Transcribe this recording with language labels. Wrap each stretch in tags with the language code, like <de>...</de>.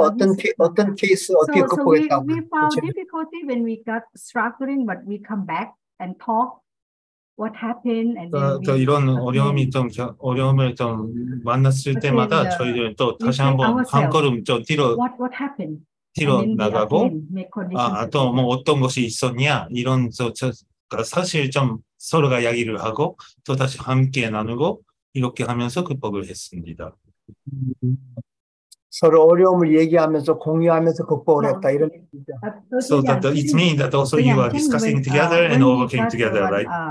<ko>어떤 케이스 어떻게 극복했다고?</ko> <en>We found difficulty when we got struggling, but we come back and talk what happened and.</en> <ko>그러니까 이런 어려움이 좀 어려움을 좀 만났을 때마다 저희들 또 다시 한번 한 걸음 좀 뒤로 뒤로 나가고 아 또 뭐 어떤 것이 있었냐 이런 저 사실 좀 서로가 이야기를 하고 또 다시 함께 나누고 이렇게 하면서 극복을 했습니다. 서로 어려움을 얘기하면서 공유하면서 극복을 했다 이런 얘기죠.</ko> <en>So that it means that also you are discussing together and overcame together, right?</en>